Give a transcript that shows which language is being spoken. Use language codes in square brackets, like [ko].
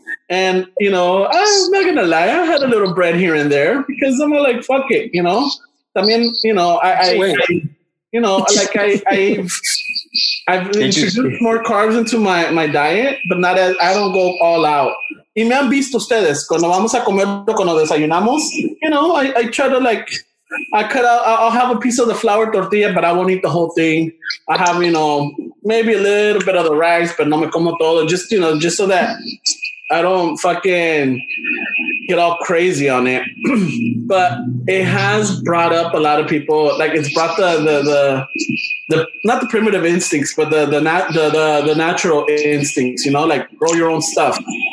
[en] And you know, I'm not gonna lie, I had a little bread here and there because I'm like, fuck it, you know. I mean, you know, I've introduced more carbs into my diet, but not as I don't go all out. [es] Y me han visto ustedes cuando vamos a comer cuando desayunamos. [en] You know, I try to like. I cut out, I'll have a piece of the flour tortilla, but I won't eat the whole thing. I have, you know, maybe a little bit of the rice, but [es] no me como todo. [en] Just, you know, just so that I don't fucking get all crazy on it. But it has brought up a lot of people, like it's brought the not the primitive instincts, but the natural instincts, you know, like grow your own stuff.